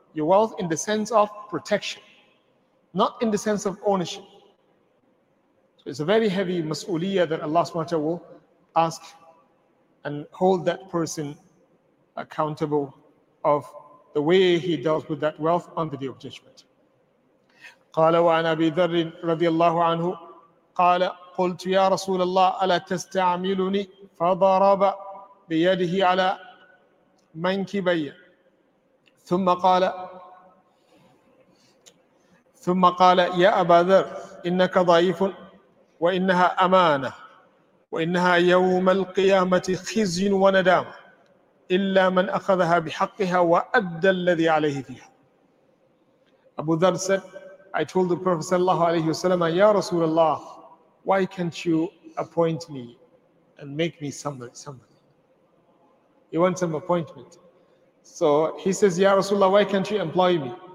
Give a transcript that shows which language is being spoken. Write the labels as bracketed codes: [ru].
[en] Your wealth in the sense of protection, not in the sense of ownership. So it's a very heavy mas'uliyah that Allah subhanahu wa ta'ala will ask and hold that person accountable of the way he dealt with that wealth on the day of judgment. [ar] قال وعن أبي ذر رضي الله عنه قال قلت يا رسول الله ألا تستعملني فضرب بيده على منكبي ثم قال يا أبا ذر إنك ضعيف وإنها أمانة وإنها يوم القيامة خزي وندامة إلا من أخذها بحقها وأدى الذي عليه فيها. [en] أبو ذر said, I told the Prophet sallallahu alayhi wa sallam, Ya Rasulullah, why can't you appoint me and make me somebody? He wants some appointment. So he says, Ya Rasulullah, why can't you employ me?